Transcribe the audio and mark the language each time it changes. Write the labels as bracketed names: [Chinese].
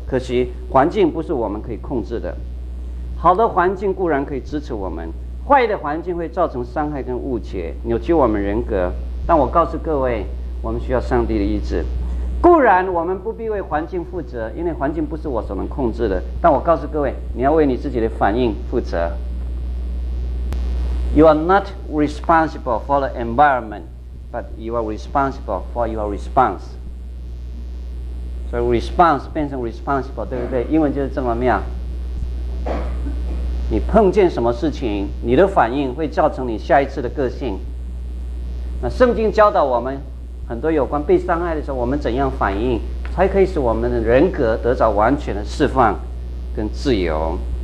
[Chinese] 可惜环境不是我们可以控制的，好的环境固然可以支持我们，坏的环境会造成伤害跟误解，扭曲我们人格。但我告诉各位，我们需要上帝的医治。固然我们不必为环境负责，因为环境不是我所能控制的，但我告诉各位，你要为你自己的反应负责。 [English] You are not responsible for the environment, but you are responsible for your response. [Chinese] So response 变成 responsible, 对不对？英文就是这么妙。你碰见什么事情，你的反应会造成你下一次的个性。那圣经教导我们很多有关被伤害的时候我们怎样反应，才可以使我们的人格得到完全的释放跟自由。